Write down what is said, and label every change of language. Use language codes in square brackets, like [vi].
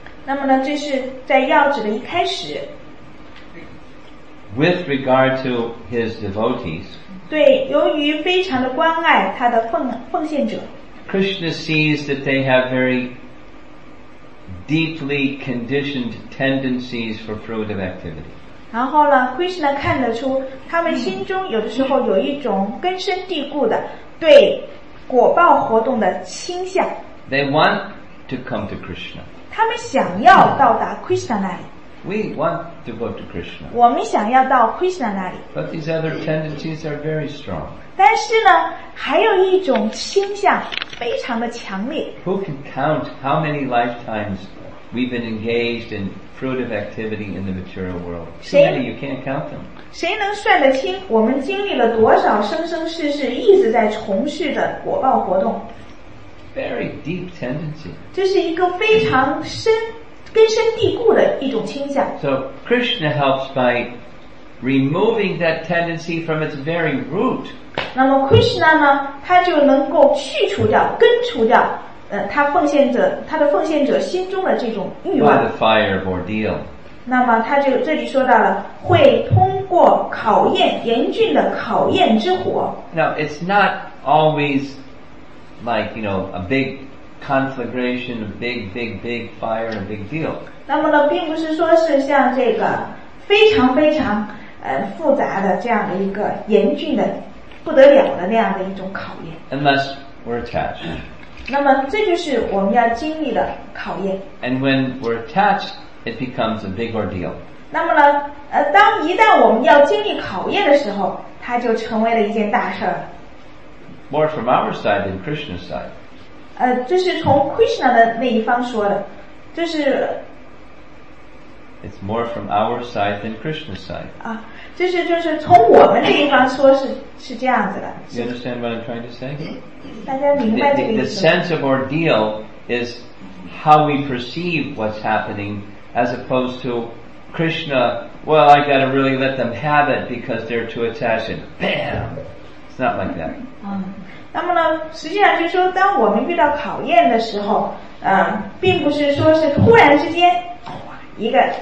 [zh] 那么呢，这是在要旨的一开始。 [en] With regard to his devotees. [zh] 对，由于非常的关爱他的奉献者。 [en] Krishna sees that they have very deeply conditioned tendencies for fruitive activity. [zh] 然后呢 ，Krishna 看得出他们心中有的时候有一种根深蒂固的对果报活动的倾向。 [en] They want to come to Krishna. [zh] 他们想要到达 Krishna 那里。 [en] We want to go to Krishna. [zh] 我们想要到 Krishna 那里。 [en] But these other tendencies are very strong. [zh] 但是呢，还有一种倾向非常的强烈。 [en] Who can count how many lifetimes we've been engaged in fruitive activity in the material world? Too many, you can't count them. [zh] 谁能算得清我们经历了多少生生世世一直在从事的果报活动？ [en] Very deep tendency. [zh] 这是一个非常深。根深蒂固的一种倾向。 [en] So Krishna helps by removing that tendency from its very root. [zh] 那么 Krishna 呢，他就能够去除掉，根除掉，他的奉献者心中的这种欲望。 [en] By the fire of ordeal. [zh] 那么他就这里说到了，会通过考验，严峻的考验之火。 [en] Now it's not always like, you know, a big conflagration, a big fire, a big deal. [zh] 那么呢，并不是说是像这个非常非常复杂的这样的一个严峻的不得了的那样的一种考验。 [en] Unless we're attached. [zh] 那么这就是我们要经历的考验。 [en] And when we're attached, it becomes a big ordeal. [zh] 那么呢，当一旦我们要经历考验的时候，它就成为了一件大事。 [en] More from our side than Krishna's side. [zh] 这是从 Krishna 的那一方说的，这是 [en] It's more from our side than Krishna's side. [zh] 就是从我们这一方说是这样子的。 [en] You understand what I'm trying to say? [zh] 大家明白这个意思。 [en] The sense of ordeal is how we perceive what's happening, as opposed to Krishna. Well, I gotta really let them have it because they're too attached. And bam, it's not like that. [zh] 那么呢，实际上就是说，当我们遇到考验的时候，并不是说是突然之间，一个